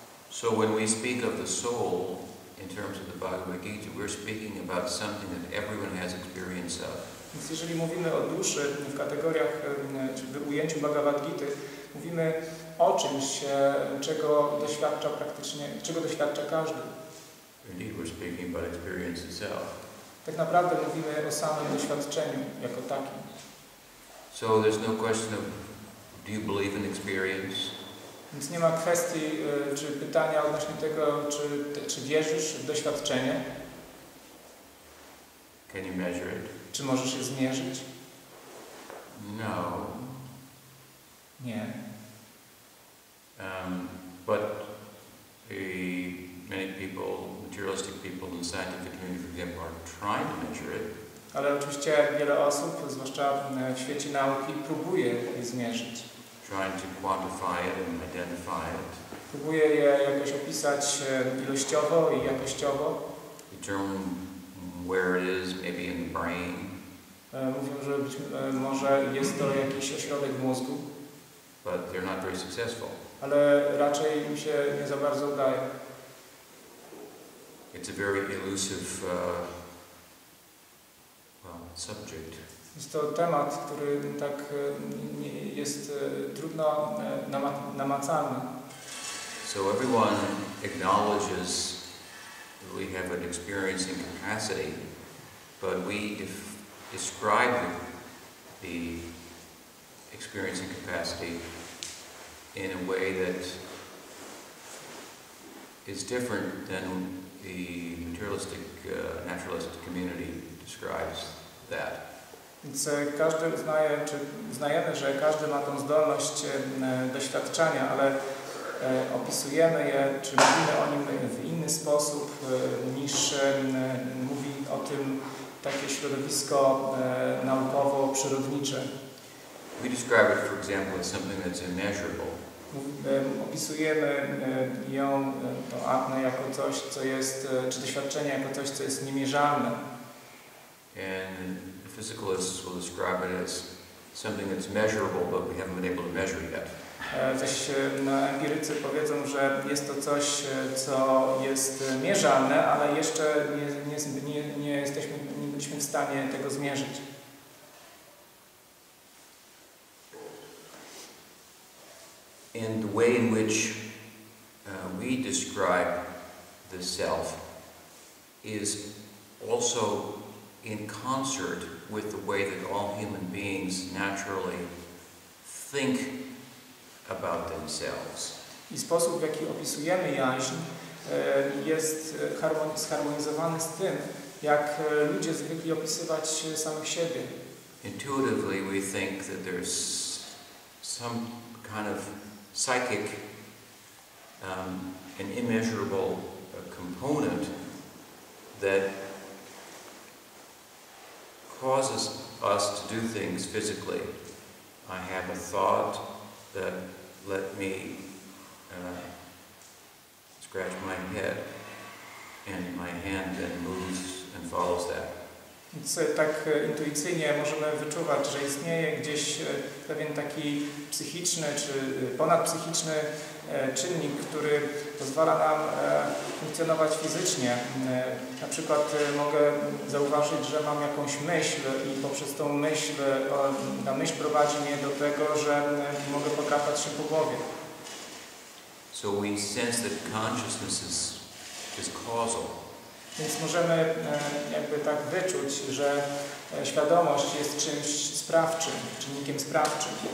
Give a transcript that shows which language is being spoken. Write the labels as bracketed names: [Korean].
[English] So when we speak of the soul in terms of the Bhagavad Gita, we're speaking about something that everyone has experience of. [Polish] Więc jeżeli mówimy o duszy w kategoriach, czy w ujęciu Bhagavad Gita, mówimy o czymś, czego doświadcza każdy. [English] Indeed, we're speaking about experience itself. [Polish] Tak naprawdę mówimy o samym doświadczeniu jako takim. [English] So there's no question of, do you believe in experience? [Polish] Więc nie ma kwestii, czy pytania odnośnie tego, czy wierzysz w doświadczenie. [English] Can you measure it? [Polish] Czy możesz je zmierzyć? [English] No. [Polish] Nie. [English] But many people, materialistic people in the scientific community, for example, are trying to measure it. [Polish] Ale oczywiście wiele osób, zwłaszcza w świecie nauki, próbuje je zmierzyć. [English] Trying to quantify it and identify it. [Polish] Próbuje je jakoś opisać ilościowo i jakościowo. [English] Determine where it is, maybe in the brain. [Polish] Mówią, że być może jest to jakiś ośrodek mózgu. [English] But they're not very successful. [Polish] Ale raczej im się nie za bardzo udaje. [English] It's a very elusive subject. [Polish] Jest to temat, który tak jest trudno namacalny. [English] So everyone acknowledges that we have an experiencing capacity, but we describe the experiencing capacity in a way that is different than the materialistic, naturalist community describes that. [Polish] Więc każdy uznaje, czy uznajemy, że każdy ma tą zdolność doświadczania, ale opisujemy je, czy mówimy o nim w inny sposób niż mówi o tym takie środowisko naukowo-przyrodnicze. [English] We describe it, for example, as something that's immeasurable. [Polish] opisujemy ją, tą apnę, jako coś, co jest, czy doświadczenie jako coś, co jest niemierzalne. [English] And physicalists will describe it as something that's measurable, but we haven't been able to measure yet. [Polish] Też na empirycy powiedzą, że jest to coś, co jest mierzalne, ale jeszcze nie byliśmy w stanie tego zmierzyć. [English] And the way in which we describe the self is also in concert with the way that all human beings naturally think about themselves. [Polish] I sposób, w jaki opisujemy jaźń, jest zharmonizowany z tym, jak ludzie zwykli opisywać samych siebie. [English] Intuitively we think that there's some kind of psychic, an immeasurable component that causes us to do things physically. I have a thought that let me scratch my head, and my hand then moves and follows that. [Polish] Tak intuicyjnie możemy wyczuwać, że istnieje gdzieś pewien taki psychiczny czy ponadpsychiczny czynnik, który pozwala nam funkcjonować fizycznie. Na przykład mogę zauważyć, że mam jakąś myśl i poprzez tą myśl, ta myśl prowadzi mnie do tego, że mogę pokrapać się po głowie. [English] So we sense that consciousness is causal. [Polish] Więc możemy jakby tak wyczuć, że świadomość jest czymś sprawczym, czynnikiem sprawczym.